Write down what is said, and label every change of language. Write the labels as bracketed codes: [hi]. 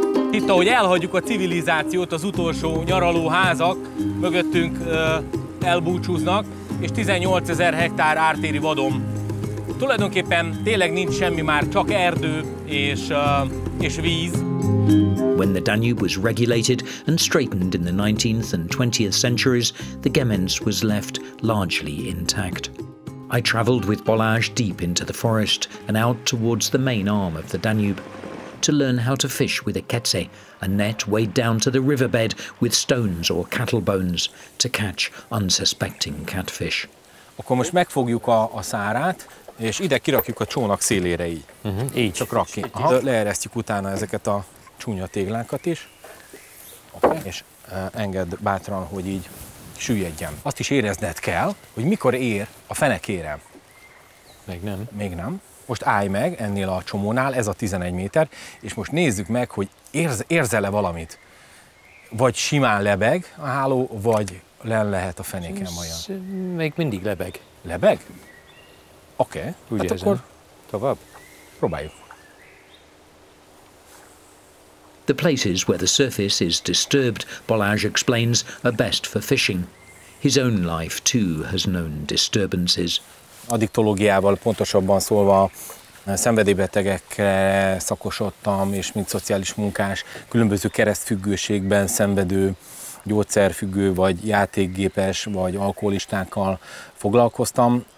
[hu] Itt, ahogy elhagyjuk a civilizációt, az utolsó nyaralóházak mögöttünk elbúcsúznak, és 18 ezer hektár ártéri vadom. Tulajdonképpen tényleg nincs semmi már, csak erdő és víz. [en] When the Danube was regulated and straightened in the 19th and 20th centuries, the Gemenc was left largely intact. I traveled with Balázs deep into the forest and out towards the main arm of the Danube to learn how to fish with a ketse, a net weighed down to the riverbed with stones or cattle bones to catch unsuspecting catfish. [hu] Akkor most megfogjuk a szárát, és ide kirakjuk a csónak szélére így. Így. Csak rakni. Leeresztjük utána ezeket a csúnya téglákat is. Okay. És engedd bátran, hogy így süllyedjen. Azt is érezned kell, hogy mikor ér a fenekére. Még nem. Még nem. Most állj meg ennél a csomónál, ez a 11 méter, és most nézzük meg, hogy érzel-e valamit. Vagy simán lebeg a háló, vagy len lehet a fenéken majd. Még mindig lebeg. Lebeg? Oké. Okay. Úgy hát érzem. Akkor tovább. Próbáljuk. [en] The places where the surface is disturbed, Balázs explains, are best for fishing. His own life too has known disturbances. [hu] Addiktológiával pontosabban szólva szenvedélybetegekre szakosodtam, és mint szociális munkás különböző keresztfüggőségben szenvedő gyógyszerfüggő, vagy játékgépes, vagy alkoholistákkal foglalkoztam.